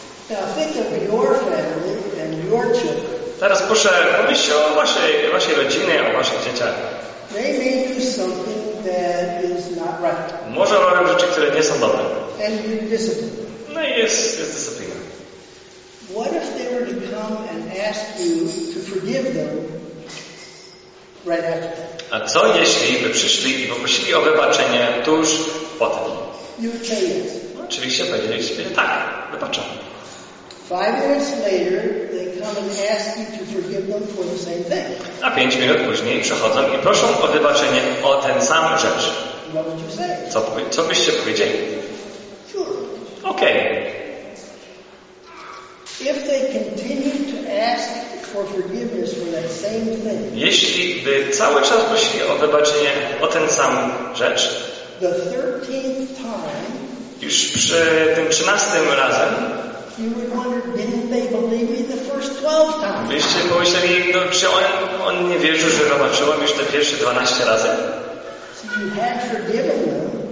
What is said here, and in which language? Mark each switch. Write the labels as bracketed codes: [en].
[en] Now think of your family and your children. [pl] Teraz proszę, pomyśl o waszej rodzinie, o waszych dzieciach. [en] They may do something that is not right. [pl] Może robią rzeczy, które nie są dobre. [en] And you discipline. [pl] No i jest dyscyplina. [en] What if they were to come and ask you to forgive them right after that? [pl] A co jeśli by przyszli i poprosili o wybaczenie tuż po tym? [en] You would say yes. [pl] Oczywiście powiedzieliście, tak, wybaczam. [en] 5 minutes later, they come and ask you to forgive them for the same thing. [pl] A 5 minut później przychodzą i proszą o wybaczenie o tę samą rzecz. [en] What would you say? [pl] Co byście powiedzieli? [en] Sure. [pl] Okay. [en] If they continue to ask for forgiveness for that same thing. [pl] Jeśli by cały czas prosili o wybaczenie o tę samą rzecz. [en] The 13th time. [pl] Już przy tym 13 razem. [en] You would wonder, didn't they believe me the first 12 times? [pl] Byście pomyśleli, no, czy on nie wierzył, że wybaczyłam już te pierwsze 12 razy? [en] So you had forgiven them.